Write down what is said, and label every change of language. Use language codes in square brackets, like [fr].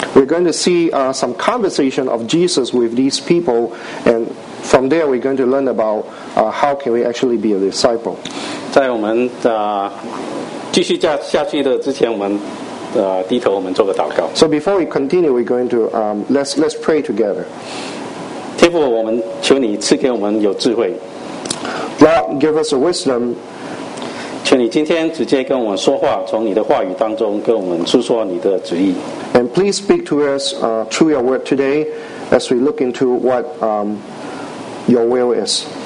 [en] We're going to see some conversation of Jesus with these people and from there, we're going to learn about how can we actually be a disciple. [zh] 在我们继续下去的之前，我们低头，我们做个祷告。 [en] So before we continue, we're going to let's pray together. [zh] 天父，我们求你赐给我们有智慧。 [en] Lord, give us a wisdom. [zh] 求你今天直接跟我们说话，从你的话语当中跟我们述说你的旨意。 [en] And please speak to us through your word today as we look into what Your will is.